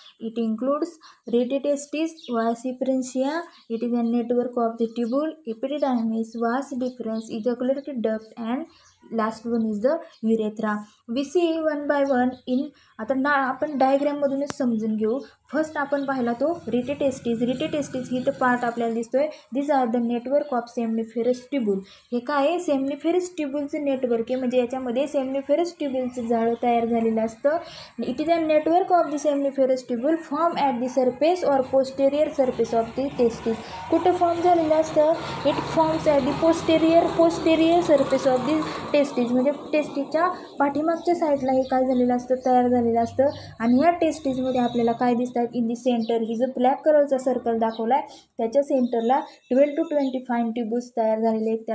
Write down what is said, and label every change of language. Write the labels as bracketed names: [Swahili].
[English] It includes rete testis, vas efferentia, it is a network of the tubule, epididymis, vas deferens, ejaculatory duct and last one is the urethra. We see one by one in. [Marathi] आता ना आपण डायग्रॅममधूनच समजून घेऊ. First आपण पाहिला तो रिटी टेस्टीज. रिटी टेस्टीज ही तो पार्ट आपल्याला दिसतो आहे. [English] This are the network of seminiferous tubule. [Marathi] हे काय आहे, सेमनिफेरस ट्यूबुलचं नेटवर्क आहे. म्हणजे याच्यामध्ये सेमनिफेरस ट्यूबुलचं जाळं तयार झालेलं असतं. [English] It is a network of the seminiferous tubule form at the surface or posterior surface of the testes. [Marathi] कुठं फॉर्म झालेलं असतं, [English] It forms at the posterior surface of the testes. [Marathi] म्हणजे टेस्टीजच्या पाठीमागच्या साईडला हे काय झालेलं असतं, तयार झालेलं असतं. आणि ह्या टेस्टीजमध्ये आपल्याला काय दिसतं, [English] in the centre [Marathi] ही जो ब्लॅक कलरचा सर्कल दाखवला आहे त्याच्या सेंटरला 12 to 25 ट्यूब्स तयार झालेले आहेत.